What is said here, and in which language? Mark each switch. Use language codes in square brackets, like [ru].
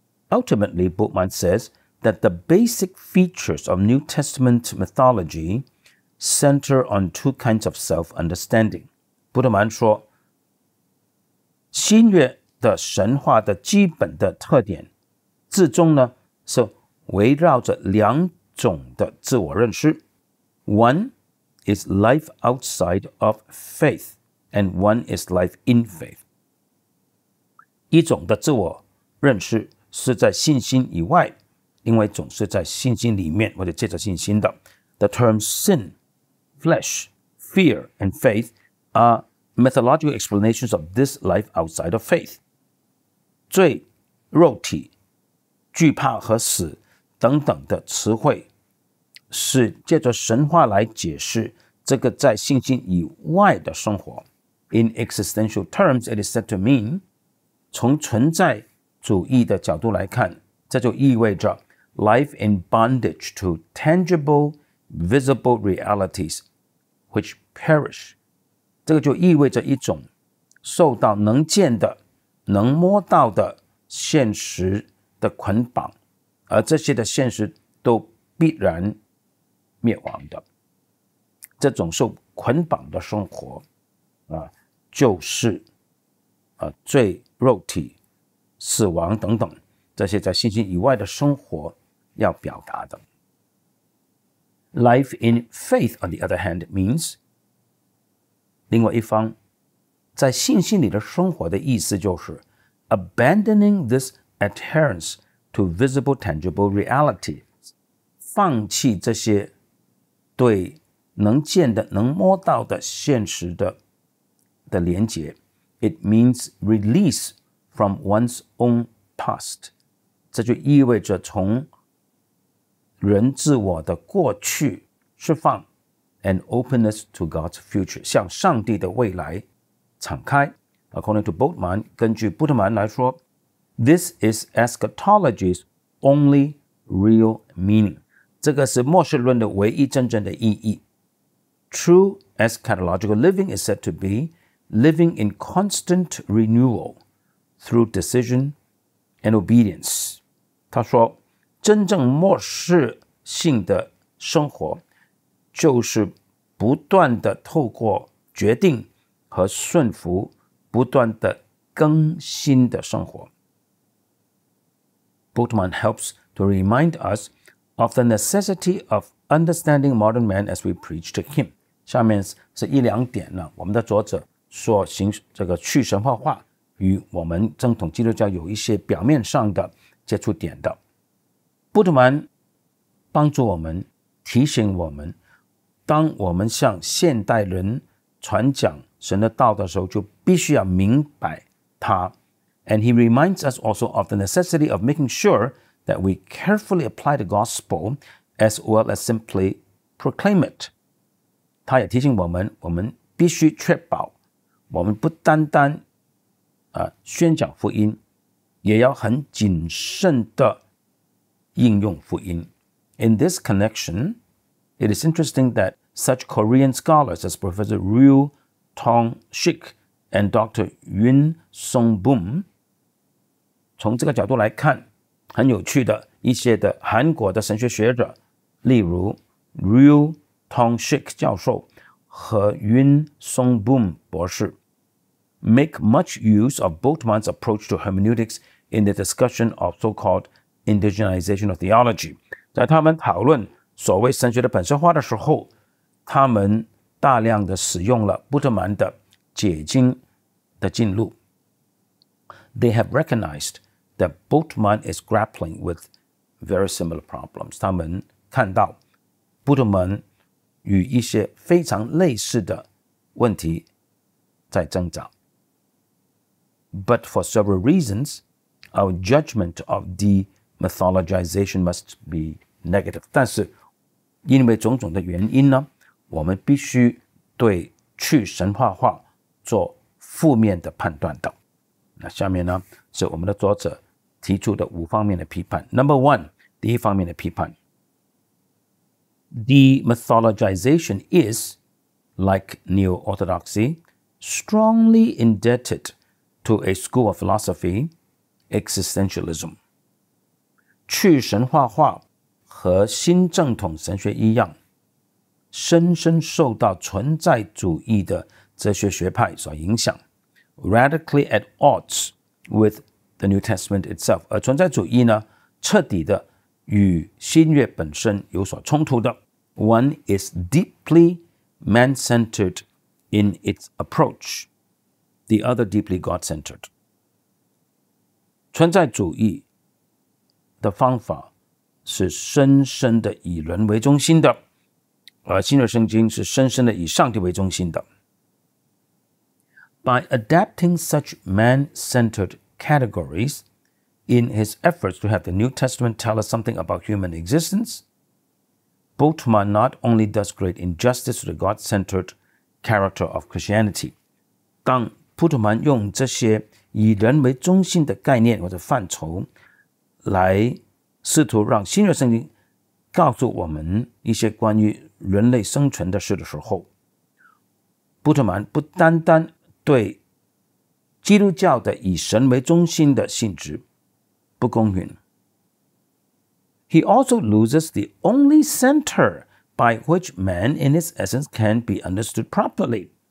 [en] Ultimately, Bultmann says,that the basic features of New Testament mythology center on two kinds of self-understanding. [zh] 布特曼说，新约的神话的基本的特点，至终呢，是围绕着两种的自我认识。 [en] One is life outside of faith, and one is life in faith. [zh] 一种的自我认识是在信心以外，因为总是在信心里面或者借着信心的。 [en] The terms sin, flesh, fear, and faith are mythological explanations of this life outside of faith. [zh] 罪、肉体、惧怕和死等等的词汇是借着神话来解释这个在信心以外的生活。 [en] In existential terms, it is said to mean [zh] 从存在主义的角度来看，这就意味着 [en] life in bondage to tangible, visible realities which perish. [zh] 这个就意味着一种受到能见的、能摸到的现实的捆绑，而这些的现实都必然灭亡的。这种受捆绑的生活就是罪、肉体、死亡等等，这些在信心以外的生活要表达的。 [en] Life in faith, on the other hand, means [zh] 另外一方在信心里的生活的意思就是 [en] abandoning this adherence to visible tangible reality, [zh] 放弃这些对能见的能摸到的现实的连接。 [en] It means release from one's own past， [zh] 这就意味着从人自我的过去释放 ， [en] an openness to God's future， [zh] 向上帝的未来敞开。 [en] According to Bultmann， [zh] 根据布特曼来说 ， [en] this is eschatology's only real meaning， [zh] 这个是末世论的唯一真正的意义。 [en] True eschatological living is said to be living in constant renewal through decision and obedience。 [zh] 他说，真正末世性的生活就是不断的透过决定和顺服不断的更新的生活。 [en] Bultmann helps to remind us of the necessity of understanding modern man as we preach to him。 [zh] 下面是一两点呢，我们的作者说行这个去神话化与我们正统基督教有一些表面上的接触点的。布特曼帮助我们，提醒我们，当我们向现代人传讲神的道的时候，就必须要明白它。 [en] And he reminds us also of the necessity of making sure that we carefully apply the gospel as well as simply proclaim it. [zh] 他也提醒我们，我们必须确保我们不单单宣讲福音，也要很谨慎的应用福音。 [en] In this connection, it is interesting that such Korean scholars as Professor Ryu Tong Shik and Dr. Yun Song Boom, [zh] 从这个角度来看，很有趣的一些的韩国的神学学者，例如 Ryu Tong Shik 教授和 Yun Song Boom 博士， [en] make much use of Bultmann's approach to hermeneutics in the discussion of so-called indigenization of theology. [zh] 在他们讨论所谓神学的本色化的时候，他们大量的使用了布特曼的解经的进路。 [en] They have recognized that Bultmann is grappling with very similar problems. [zh] 他们看到布特曼与一些非常类似的问题在挣扎。 [en] But for several reasons, our judgment of demythologization must be negative. [zh] 但是因为种种的原因呢，我们必须对去神话化做负面的判断的。那下面呢，是我们的作者提出的五方面的批判。 [en] Number one， [zh] 第一方面的批判， [en] Demythologization is, like neo-orthodoxy, strongly indebted to a school of philosophy, existentialism. [zh] 去神话化和新正统神学一样，深深受到存在主义的哲学学派所影响， [en] radically at odds with the New Testament itself， [zh] 而存在主义呢，彻底的与新约本身有所冲突的。 [en] One is deeply man-centered in its approach， the other deeply God-centered。 [zh] 存在主义的方法是深深的以人为中心的，而新约圣经是深深的以上帝为中心的。 [en] By adapting such man-centered categories in his efforts to have the New Testament tell us something about human existence, Bultmann not only does great injustice to the God-centered character of Christianity. [zh] 当布特曼用这些以人为中心的概念或者范畴来试图让新约圣经告诉我们一些关于人类生存的事的时候，布特曼不单单对基督教的以神为中心的性质不公允。 [en] He also loses the only center by which man in his essence can be understood properly.